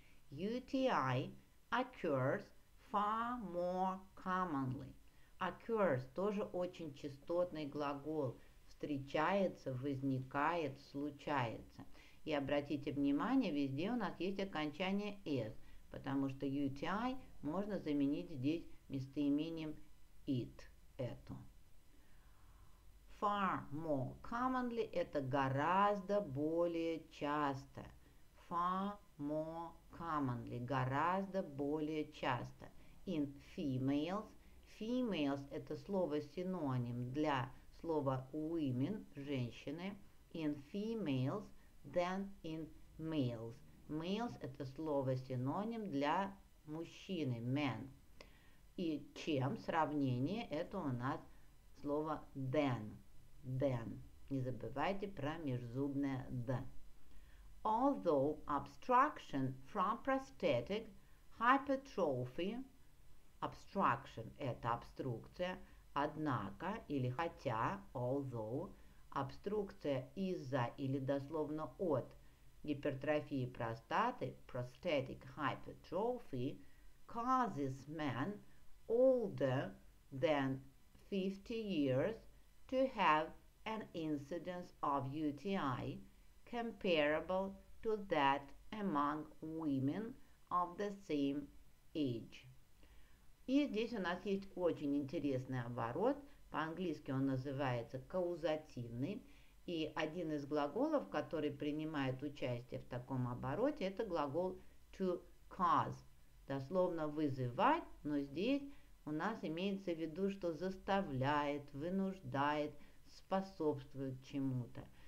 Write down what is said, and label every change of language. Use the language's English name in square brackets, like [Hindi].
[English] UTI occurs far more commonly. [Russian] Occurs тоже очень частотный глагол. Встречается, возникает, случается. И обратите внимание, везде у нас есть окончание s, потому что UTI можно заменить здесь местоимением it, эту. [English] Far more commonly [Russian] – это гораздо более часто. [English] Far more commonly [Russian] – гораздо более часто. [English] In females [Russian] – females – это слово-синоним для слова women – женщины. [English] In females – than in males. [Russian] Males – это слово-синоним для мужчины, men. И чем сравнение – это у нас слово than. [English] Than. [Russian] Не забывайте про межзубное the. [English] Although obstruction from prosthetic hypertrophy – obstruction – [Russian] это обструкция, однако или хотя, [English] although – [Russian] обструкция из-за или дословно от гипертрофии простаты, [English] prosthetic hypertrophy, causes men older than 50 years to have an incidence of UTI comparable to that among women of the same age. [Russian] И здесь у нас есть очень интересный оборот. По-английски он называется каузативный, и один из глаголов, который принимает участие в таком обороте, это глагол to cause, дословно вызывать, но здесь у нас имеется в виду, что заставляет, вынуждает, способствует чему-то.